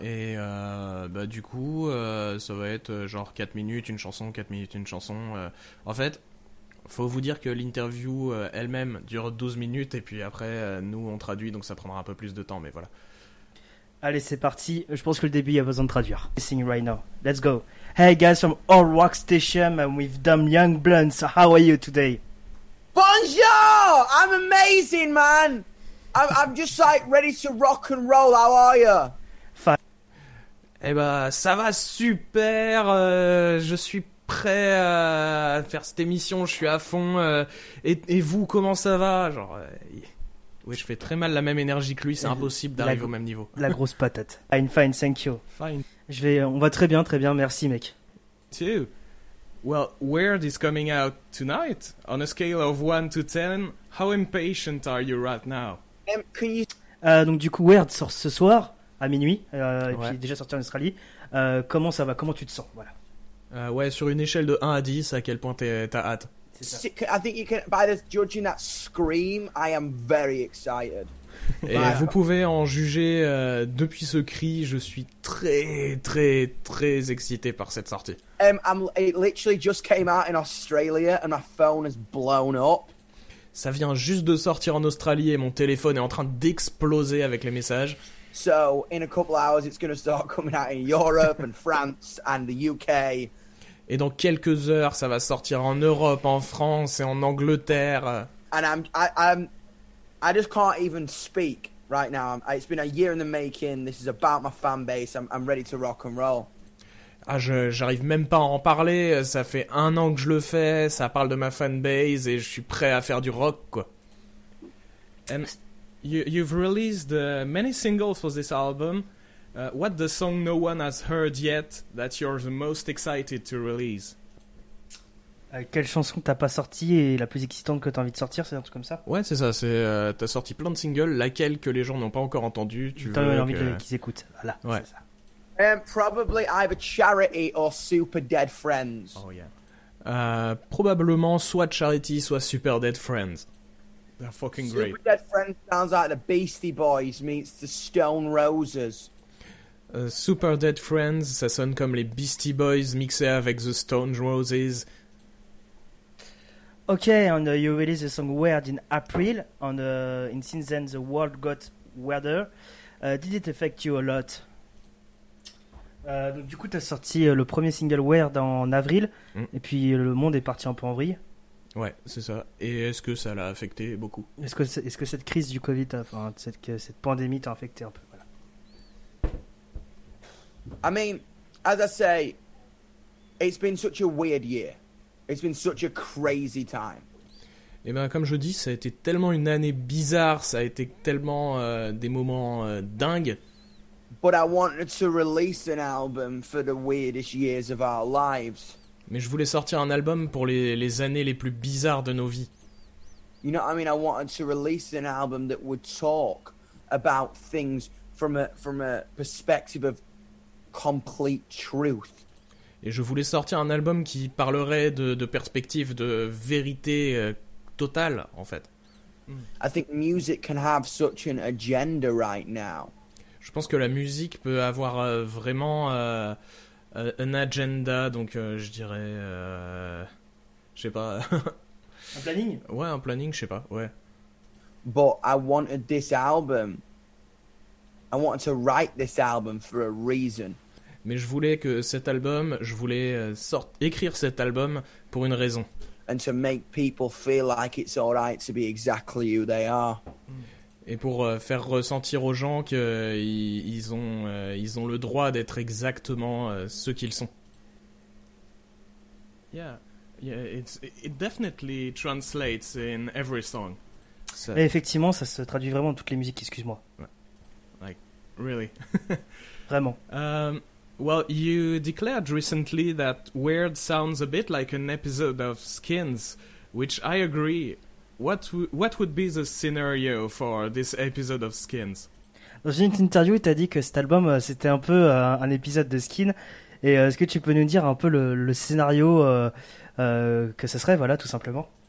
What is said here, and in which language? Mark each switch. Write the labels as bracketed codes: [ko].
[fr] Et bah du coup, ça va être genre 4 minutes, une chanson, 4 minutes, une chanson. En fait, faut vous dire que l'interview elle-même dure 12 minutes et puis après, nous, on traduit, donc ça prendra un peu plus de temps, mais voilà. Allez, c'est parti. Je pense que le début, il y a besoin de traduire. [en] Listening right now. Let's go. Hey guys from All Rock Station, I'm with Dumb Young Blunts. How are you today? Bonjour! I'm amazing, man! I'm just like ready to rock and roll. How are you? [fr] Eh ben, ça va super. Je suis prêt à faire cette émission. Je suis à fond. Et vous, comment ça va? Genre, oui, je fais très mal la même énergie que lui. C'est impossible d'arriver au même niveau. La grosse patate. [en] Fine, thank you. Fine. [fr] On va très bien, merci, mec. [en] Two. Well, Weird is coming out tonight. On a scale of 1 to 10, how impatient are you right now? [fr] Donc du coup, Weird sort ce soir. À minuit, ouais. Et puis déjà sorti en Australie. Comment ça va? Comment tu te sens? Voilà. Ouais, sur une échelle de 1 à 10, à quel point t'as hâte? C'est ça. [en] I think you can, by the judging that scream, I am very excited. [fr] Et vous pouvez en juger depuis ce cri, je suis très, très, très excité par cette sortie. [en] It literally just came out in Australia and my phone is blown up. [fr] Ça vient juste de sortir en Australie et mon téléphone est en train d'exploser avec les messages. [en] So in a couple hours it's going to start coming out in Europe and France and the UK. [fr] Et dans quelques heures ça va sortir en Europe, en France et en Angleterre. [en] And I just can't even speak right now. It's been a year in the making. This is about my fan base. I'm ready to rock and roll. [fr] Ah, j'arrive même pas à en parler. Ça fait un an que je le fais, ça parle de ma fan base et je suis prêt à faire du rock quoi. [en] You've released many singles for this album. What the song no one has heard yet that you're the most excited to release? [fr] Quelle chanson t'as pas sortie et la plus excitante que t'as envie de sortir, c'est un truc comme ça? Ouais, c'est ça. T'as sorti plein de singles, laquelle que les gens n'ont pas encore entendu. T'as envie qu'ils écoutent. Voilà. Ouais. C'est ça. [en] Probably either Charity or Super Dead Friends. Oh yeah. [fr] Probablement soit Charity soit Super Dead Friends. [en] They're fucking great. Super Dead Friends sounds like the Beastie Boys meets the Stone Roses. [fr] Super Dead Friends, ça sonne comme les Beastie Boys mixés avec the Stone Roses. [en] Okay, and you released the song Weird in April, and since then the world got weirder. Did it affect you a lot? [fr] Donc, du coup, t'as sorti le premier single Weird en avril, et puis le monde est parti un peu en vrille. Ouais, c'est ça. Et est-ce que ça l'a affecté beaucoup? Est-ce que cette crise du Covid, enfin, cette pandémie t'a affecté un peu? Voilà. [en] I mean, as I say, it's been such a weird year. It's been such a crazy time. [fr] Et ben, comme je dis, ça a été tellement une année bizarre, ça a été tellement des moments dingues. [en] But I wanted to release an album for the weirdest years of our lives. [fr] Mais je voulais sortir un album pour les années les plus bizarres de nos vies. [en] You know what I mean? I wanted to release an album that would talk about things from a perspective of complete truth. [fr] et je voulais sortir un album qui parlerait de perspective, de vérité totale, en fait. [en] I think music can have such an agenda right now. [fr] Je pense que la musique peut avoir vraiment un agenda, donc je dirais, je sais pas. Un planning? Ouais, un planning, je sais pas, ouais. [en] But I wanted this album. I wanted to write this album for a reason. [fr] Mais je voulais que cet album, je voulais écrire cet album pour une raison. [en] And to make people feel like it's all right to be exactly who they are. [fr] Et pour faire ressentir aux gens que ils ont le droit d'être exactement ceux qu'ils sont. [en] Yeah, it definitely translates in every song. So... [fr] Et effectivement, ça se traduit vraiment dans toutes les musiques, excuse-moi. [en] Like really. [fr] Vraiment. [en] Well, you declared recently that Weird sounds a bit like an episode of Skins, which I agree. What would be the scenario for this episode of Skins? [fr] Dans une interview, tu as dit que cet album, c'était un peu un épisode de Skins. Et est-ce que tu peux nous dire un peu le scénario que ce serait, voilà, tout simplement?